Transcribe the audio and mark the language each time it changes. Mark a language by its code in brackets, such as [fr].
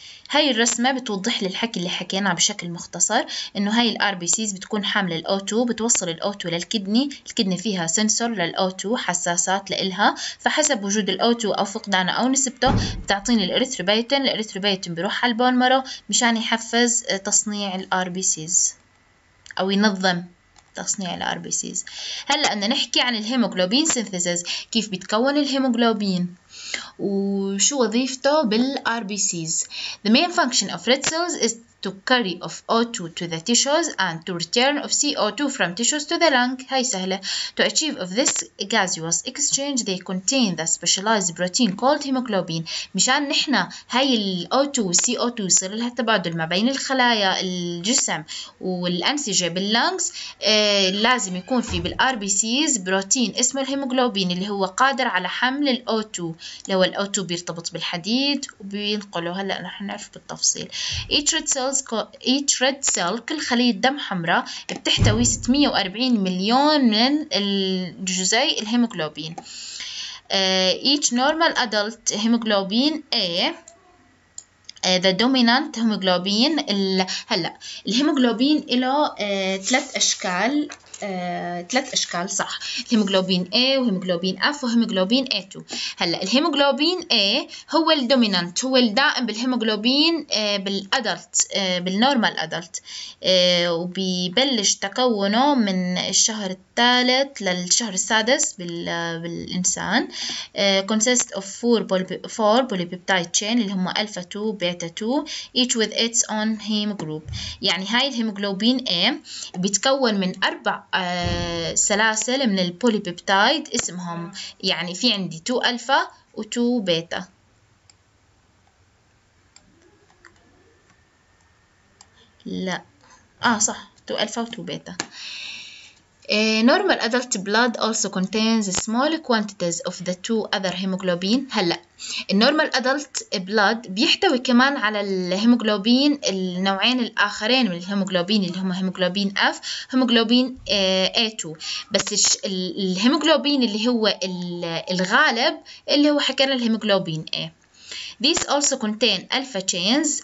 [ar] هاي الرسمة بتوضح للحكي اللي حكيناه بشكل مختصر انه هاي الار بي سيز بتكون حاملة الاوتو، بتوصل الاوتو للكدني، الكدني فيها سنسور للاوتو حساسات لإلها، فحسب وجود الاوتو او فقدانه او نسبته بتعطيني الاريثروبيوتين، الاريثروبيوتين بيروح على البون مارو مشان يحفز تصنيع الار بي سيز او ينظم تصنيع الار بي سيز. هلا بدنا نحكي عن الهيموغلوبين سينثيسز، كيف بيتكون الهيموغلوبين وشو وظيفته بالار بي سيز. [en] The main function of red cells is to carry of O2 to the tissues and to return of CO2 from tissues to the lung. [ar] هاي سهلة. [en] To achieve of this gaseous exchange they contain the specialized protein called hemoglobin. [ar] مشان نحنا هاي ال O2 CO2 يصير لها تبادل ما بين الخلايا الجسم والأنسجة باللنجز، لازم يكون في بالRBCs بروتين اسمه الهيموغلوبين اللي هو قادر على حمل ال O2، اللي هو ال O2 بيرتبط بالحديد وبينقله. هلأ نحن نعرف بالتفصيل. [en] Each red cell [ar] كل خلية دم حمراء بتحتوي 640 مليون من الجزيء الهيموغلوبين. [en] Each normal adult hemoglobin A the dominant hemoglobin. [ar] هلأ الهيموغلوبين له ثلاث أشكال، ثلاث أشكال صح، الهيموغلوبين A وهيموغلوبين F وهيموغلوبين A2. هلأ الهيموغلوبين A هو الدومينانت، هو الدائم بالهيموغلوبين بالأدلت بالنورمال أدلت، وبيبلش تكونه من الشهر الثالث للشهر السادس بالإنسان. [en] consists of four polypeptide chain [ar] اللي هم [en] Alpha 2 beta 2 each with its own hemogroup. [ar] يعني هاي الهيموغلوبين A بيتكون من أربع سلاسل من البوليبيبتايد اسمهم، يعني في عندي 2 ألفا و 2 بيتا. لا صح 2 ألفا و 2 بيتا. [en] Normal adult blood also contains small quantities of the two other hemoglobin. [ar] هلأ النورمال أدلت بلاد بيحتوي كمان على الهيموغلوبين النوعين الآخرين من الهيموغلوبين اللي هما هيموغلوبين F هيموغلوبين A2، بس الهيموغلوبين اللي هو الغالب اللي هو حكينا الهيموغلوبين A. [en] These also contain alpha chains.